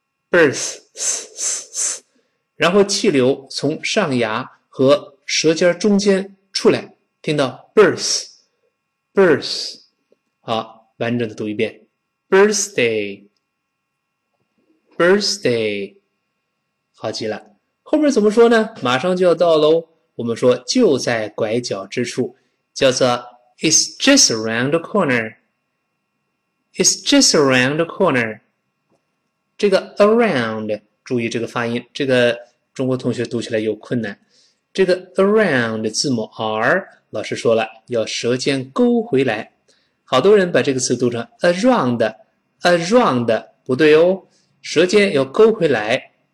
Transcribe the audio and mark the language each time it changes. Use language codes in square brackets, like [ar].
[zh] birth，然后气流从上牙和舌尖中间出来，听到 birth，好，完整的读一遍，birthday，好极了。后面怎么说呢？马上就要到喽，我们说就在拐角之处。叫做 [en] "It's just around the corner." "It's just around the corner." [zh] 这个 "around" 注意这个发音，这个中国同学读起来有困难。这个 "around" 字母 R，老师说了要舌尖勾回来。好多人把这个词读成 "around"，"around" 不对哦，舌尖要勾回来。